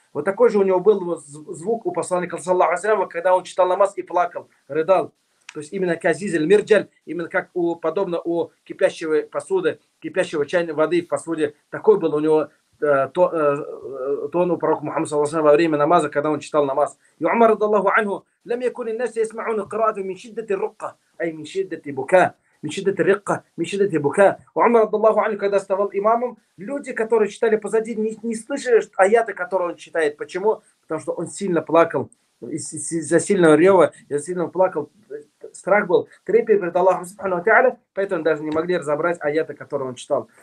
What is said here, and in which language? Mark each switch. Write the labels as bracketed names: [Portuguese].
[Russian] Вот такой же у него был звук у посланника саллаллаху алейхи ва саллям, когда он читал намаз и плакал, рыдал. То есть именно казиз аль-мирджаль, именно как у подобно у кипящего посуды, кипящего чайной воды в посуде, такой был у него тон у пророка Мухаммада саллаллаху алейхи ва саллям во время намаза, когда он читал намаз. [Arabic] И Умар радиаллаху анху, لم يكن الناس يسمعون قراءته من شدة الرقة, أي من شدة البكاء, من شدة الرقة, من شدة البكاء. وعمر رضي الله عنه, [Russian] когда ставал имамом, люди, которые читали позади, не слышали аяты, которые он читает. Почему? Потому что он сильно плакал. Из-за сильного рева, из-за сильного плакал, страх был, трепет перед Аллахом Субхану ва Тааля, поэтому даже не могли разобрать аяты, которые он читал.